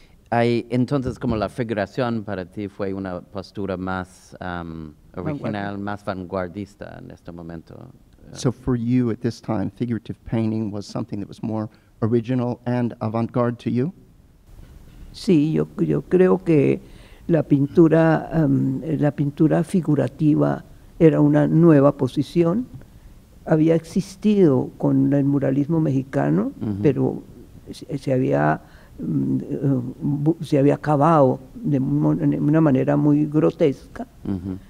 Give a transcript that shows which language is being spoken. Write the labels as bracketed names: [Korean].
[Spanish] Entonces, como la figuración para ti fue una postura más original, más vanguardista en este momento. [English] So for you at this time, figurative painting was something that was more original and avant-garde to you? [Spanish] Sí, yo creo que la pintura figurativa era una nueva posición. Había existido con el muralismo mexicano, mm-hmm. pero se había acabado de una manera muy grotesca. Uh-huh.